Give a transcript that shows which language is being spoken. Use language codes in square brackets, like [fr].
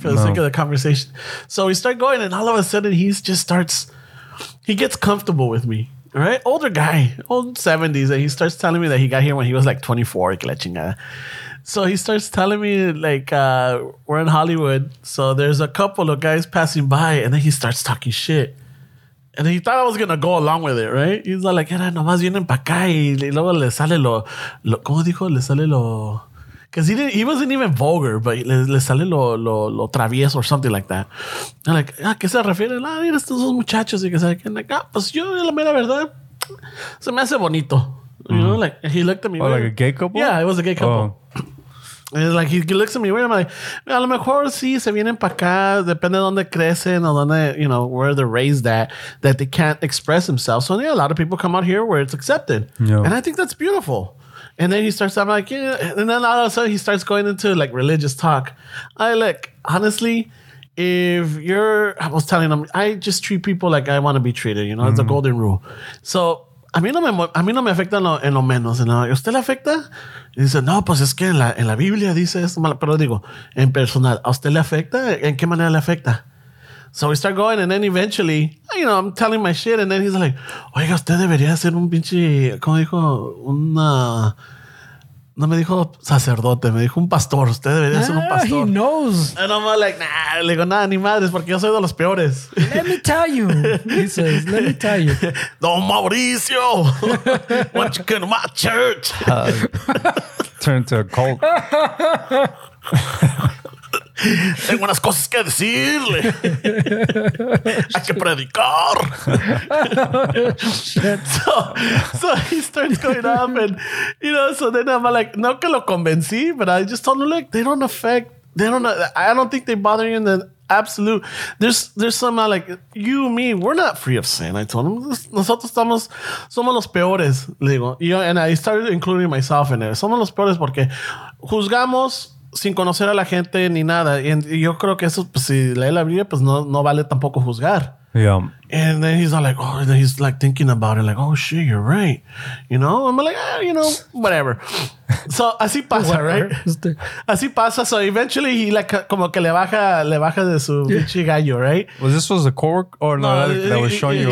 [en] For the sake of the conversation. So we start going and all of a sudden he gets comfortable with me, right? Older guy, old 70s, and he starts telling me that he got here when he was like 24, [es] que la chingada. [en] So he starts telling me, like, we're in Hollywood, so there's a couple of guys passing by, and then he starts talking shit. And he thought I was going to go along with it, right? He's like, [es] era nomás vienen pa' acá, y luego le sale lo, ¿cómo dijo? Le sale lo, [en] because he wasn't even vulgar, but [es] le sale lo travieso [en] or something like that. I'm like, [es] ¿a qué se refiere? Ah, mira estos dos muchachos, y que sabe, [en] and like, [es] pues yo, la mera verdad, se me hace bonito. [en] You know, like he looked at me. Oh, like a gay couple? Yeah, it was a gay couple. Oh. And it's like he looks at me. Where am I? [es] A lo mejor sí se vienen para acá. Depende de donde crecen o donde, [en] you know, where they're raised at, that they can't express themselves. So, yeah, a lot of people come out here where it's accepted. Yeah. And I think that's beautiful. And then he starts, I'm like, yeah. And then all of a sudden he starts going into like religious talk. I like, honestly, if you're, I was telling him, I just treat people like I want to be treated, you know, it's a golden rule. [es] So, A mí no me afecta en lo menos. ¿No? ¿Y usted le afecta? Y dice, no, pues es que en la Biblia dice esto. Pero digo, en personal, ¿a usted le afecta? ¿En qué manera le afecta? [en] So we start going, and then eventually, you know, I'm telling my shit, and then he's like, [es] oiga, usted debería ser un pinche, como dijo, una... No me dijo sacerdote, me dijo un pastor. Usted debería ser un pastor. [en] He knows. And I'm like, nah. [es] Le digo, nada, ni madres, porque yo soy de los peores. [en] Let me tell you, he says, let me tell you. Don Mauricio, what you can do my church? Turn to a cult. [es] Tengo unas cosas que decirle. Hay que predicar. [en] So he starts going up, and you know, so then I'm like, [es] no que lo convencí, [en] but I just told him, look, they don't affect, they don't, I don't think they bother you in the absolute. There's some like you, me, we're not free of sin. I told him, [es] nosotros estamos, somos los peores, le digo, [en] you know, and I started including myself in it. [es] Somos los peores porque juzgamos sin conocer a la gente ni nada. Y yo creo que eso, pues, si lee la Biblia, pues no vale tampoco juzgar. [en] Yeah. And then he's all like, oh, and he's like thinking about it, like, oh shit, you're right. You know? I'm like, ah, you know, whatever. So [es] así pasa, [en] right? [es] Así pasa. [en] So eventually he like, [es] como que le baja de su bitchy gallo, right? [en] Was this was a cork or no? That was showing you.